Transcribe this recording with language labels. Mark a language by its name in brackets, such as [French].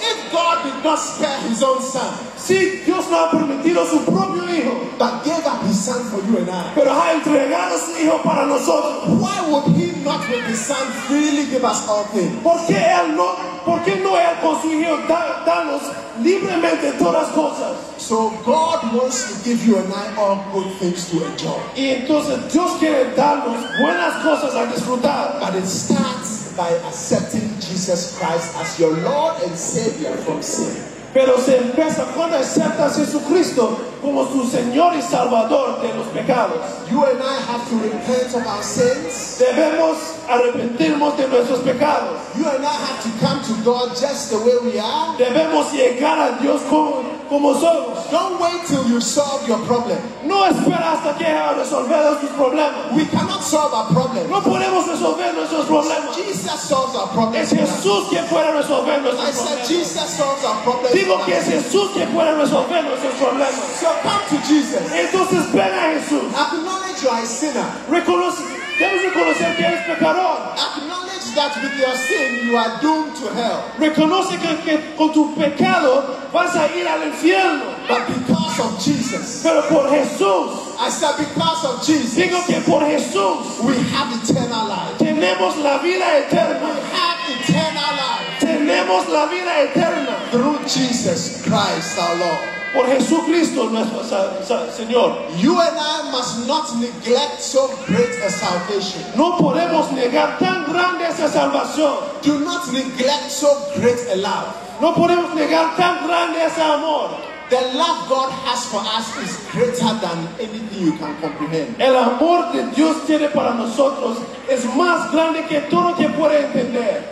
[English] If God did not spare his own son. [Spanish] Si Dios no ha permitido su propio hijo. [English] But gave up his son for you and I. [Spanish] Pero ha entregado su hijo para nosotros. [English] Why would he not with his son freely give us all things? [Spanish] ¿Por qué no él con su hijo darnos libremente todas cosas? [English] So God wants to give you and I all good things to enjoy. [Spanish] Y entonces Dios quiere darnos buenas cosas a disfrutar. [English] But it starts by accepting Jesus Christ as your Lord and Savior from sin. [Spanish] Pero se empieza cuando aceptas a Jesucristo como su Señor y Salvador de los pecados. [English] You and I have to repent of our sins. [Spanish] Debemos arrepentirnos de nuestros pecados. [English] You and I have to come to God just the way we are. [Spanish] Debemos llegar a Dios como somos. [English] Don't wait till you solve your problem. [Spanish] No espera hasta que haya resolvido sus problemas. [English] We cannot solve our problems. [Spanish] No podemos resolver nuestros problemas. [English] Jesus solves our problems. [Spanish] Es Jesús quien puede resolver nuestros problemas. [English] I said Jesus solves our problems. [Spanish] Digo que es Jesús quien puede resolver nuestros problemas. [English] So come to Jesus. [Spanish] Entonces ven a Jesús. [English] Acknowledge you are a sinner. [Spanish] Debes reconocer que eres pecador. [English] Acknowledge that with your sin you are doomed to hell. [Spanish] Reconoce que con tu pecado vas a ir al infierno. [English] But because of Jesus. [Spanish] Pero por Jesús. [English] I said because of Jesus. [Spanish] Digo que por Jesús. [English] We have eternal life. [Spanish] Tenemos la vida eterna. [English] We have eternal life. [Spanish] Tenemos la vida eterna. [English] Through Jesus Christ our Lord. [Spanish] Por Jesucristo nuestro Señor. [English] You and I must not neglect so great a salvation. [Spanish] No podemos negar tan grande esa salvación. [English] Do not neglect so great a love. [Spanish] No podemos negar tan grande ese amor. [English] The love God has for us is greater than anything you can comprehend. [Spanish] El amor que Dios tiene para nosotros es más grande que todo que puede entender.